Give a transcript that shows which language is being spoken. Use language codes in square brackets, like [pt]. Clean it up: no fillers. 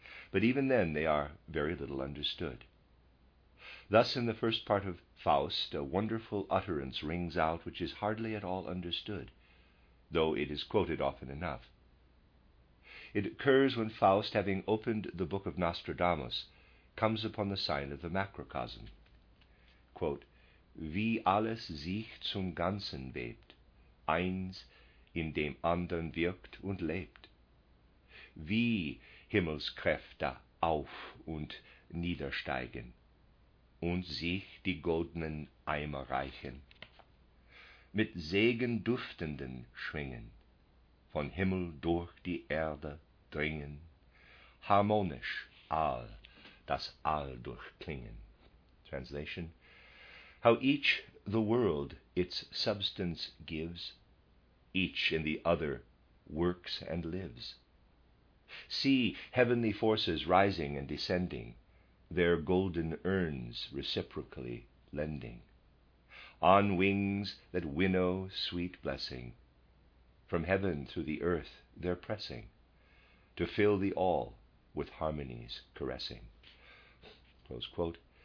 [en] But even then they are very little understood. Thus in the first part of Faust a wonderful utterance rings out which is hardly at all understood, though it is quoted often enough. It occurs when Faust, having opened the book of Nostradamus, comes upon the sign of the macrocosm. [de] Quote, "Wie alles sich zum Ganzen webt, eins in dem andern wirkt und lebt, wie Himmelskräfte auf- und niedersteigen und sich die goldenen Eimer reichen, mit Segen duftenden Schwingen von Himmel durch die Erde dringen, harmonisch all das All durchklingen." [en] Translation: how each the world its substance gives, each in the other works and lives. See heavenly forces rising and descending, their golden urns reciprocally lending, on wings that winnow sweet blessing, from heaven through the earth they're pressing, to fill the all with harmonies caressing. Close quote.